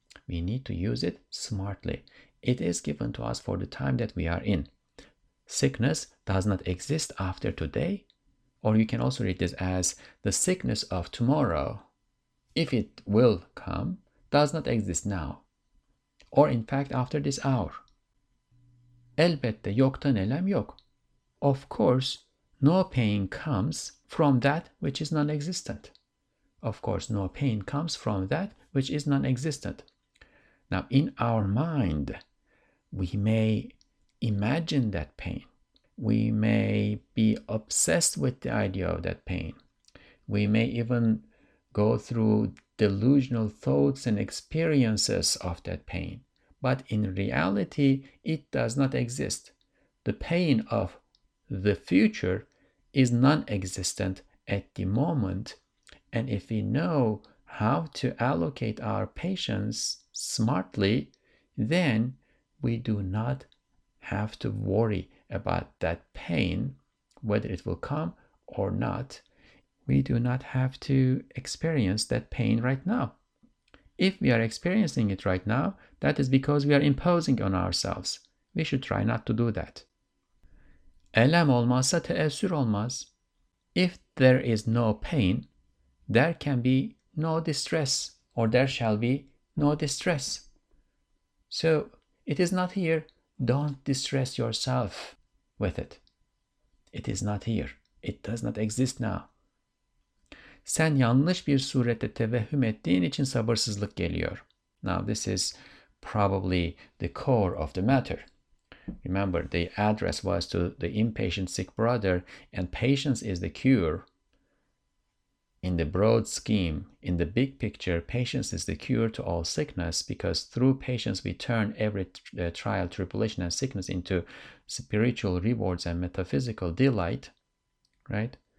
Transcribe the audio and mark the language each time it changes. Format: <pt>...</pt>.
<en>We need to use it smartly. It is given to us for the time that we are in. Sickness does not exist after today. Or you can also read this as the sickness of tomorrow, if it will come, does not exist now. Or in fact, after this hour.</en> <tr>Elbette yoktan elem yok.</tr> <en>Of course, no pain comes from that which is non-existent. Of course, no pain comes from that which is non-existent. Now, in our mind, we may imagine that pain. We may be obsessed with the idea of that pain. We may even go through delusional thoughts and experiences of that pain. But in reality, it does not exist. The pain of the future is non-existent at the moment. And if we know how to allocate our patience smartly, then we do not have to worry about that pain, whether it will come or not. We do not have to experience that pain right now. If we are experiencing it right now, that is because we are imposing on ourselves. We should try not to do that.</en> <tr>Elem olmazsa teessür olmaz.</tr> <en>If there is no pain, there can be no distress, or there shall be no distress. So it is not here. Don't distress yourself with it. It is not here. It does not exist now.</en> <tr>Sen yanlış bir surette tevehüm ettiğin için sabırsızlık geliyor.</tr> <en>Now this is probably the core of the matter. Remember, the address was to the impatient sick brother, and patience is the cure. In the broad scheme, in the big picture, patience is the cure to all sickness, because through patience we turn every trial, tribulation, and sickness into spiritual rewards and metaphysical delight, right?</en>